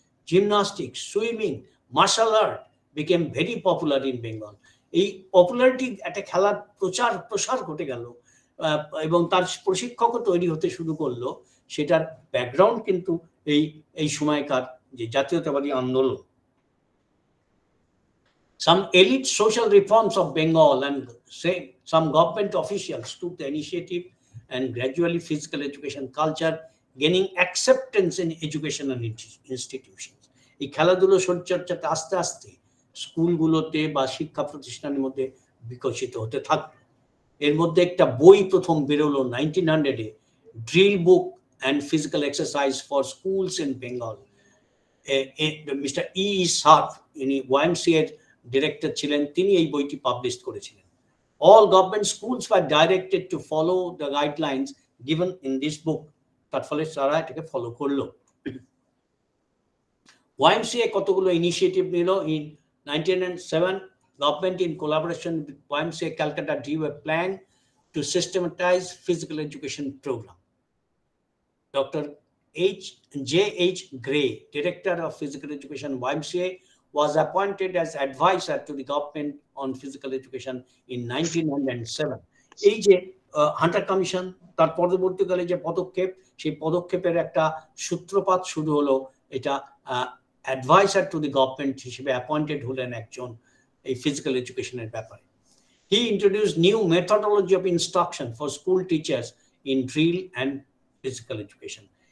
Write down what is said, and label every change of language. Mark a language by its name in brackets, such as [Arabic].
[English] Gymnastics, swimming, martial art became very popular in Bengal. [Bangla] এই popularity একটা খেলার প্রচার প্রসার ঘটে গেল এবং তার প্রশিক্ষকও তৈরি হতে শুরু করলো। সেটার ব্যাকগ্রাউন্ড কিন্তু এই এই সময়কার যে জাতীয়তাবাদী আন্দোলন। [English] Some elite social reforms of Bengal and say some government officials took the initiative and gradually physical education culture gaining acceptance in education and institutions. [Bangla] এই খেলাধুলো শরীরচর্চাতে আস্তে আস্তে স্কুলগুলোতে বা শিক্ষা প্রতিষ্ঠানের মধ্যে বিকশিত হতে থাকল। এর মধ্যে একটা বই প্রথম বেরোলো 1900 এ, drill book and physical exercise for schools in Bengal. Mister ই সাফ, ইনি YMCA এর ডিরেক্টর ছিলেন, তিনি এই বইটি পাবলিশ করেছিলেন। [English] All government schools were directed to follow the guidelines given in this book. [Bangla] তার ফলে তারা এটাকে ফলো করল। YMCA কতগুলো ইনিশিয়েটিভ নিল। [English] In 1907 government in collaboration with YMCA Calcutta drew a plan to systematize physical education programme. Doctor JH Gray, director of physical education YMCA, was appointed as advisor to the government on physical education in 1907. [Bangla] এই যে Hunter commission, তার পরবর্তীকালে যে পদক্ষেপ, সেই পদক্ষেপের একটা সূত্রপাত শুরু হলো। এটা [English] advisor to the government [Bangla] হিসেবে অ্যাপয়েন্টেড হলেন একজন এই ফিজিক্যাল এডুকেশনের ব্যাপারে। [English] He introduce new methodology of instruction for school teachers in drill and physical education.